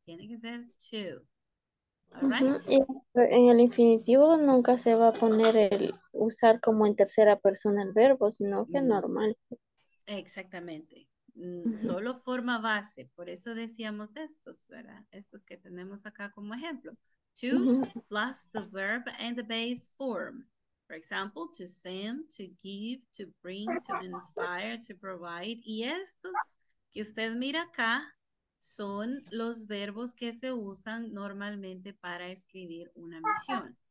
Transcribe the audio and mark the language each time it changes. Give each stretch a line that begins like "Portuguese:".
Spanish: Tiene que ser to. All
English: right.
Spanish: Y en el infinitivo nunca se va a poner el usar como en tercera persona el verbo, sino que es normal. Exactamente. Solo forma base, por eso decíamos estos, ¿verdad? Estos que tenemos acá como ejemplo.
English: To plus the verb and the base form. For example, to send, to give, to bring, to inspire, to provide.
Spanish: Y estos que usted mira acá son los verbos que se usan normalmente para escribir una misión.